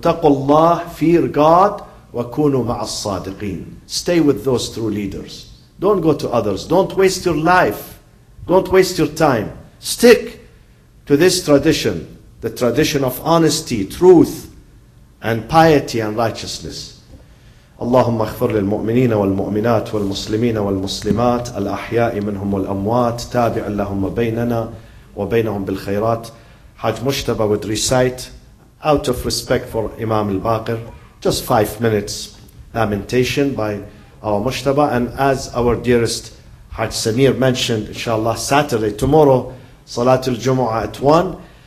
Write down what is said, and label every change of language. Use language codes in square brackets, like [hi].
[ar] Taqullah, [en] fear God. [ar] Wa kunu ma'as sadiqeen. [en] Stay with those true leaders. Don't go to others. Don't waste your life. Don't waste your time. Stick to this tradition, the tradition of honesty, truth, and piety and righteousness. [ar] اللهم اغفر للمؤمنين والمؤمنات والمسلمين والمسلمات الأحياء منهم والأموات تابع لهم بيننا وبينهم بالخيرات. [en] Haj Mujtaba would recite out of respect for Imam al-Baqir, just 5 minutes lamentation by our Mujtaba. And as our dearest Haj Samir mentioned, inshallah Saturday, tomorrow Salatul Jumu'ah at 1.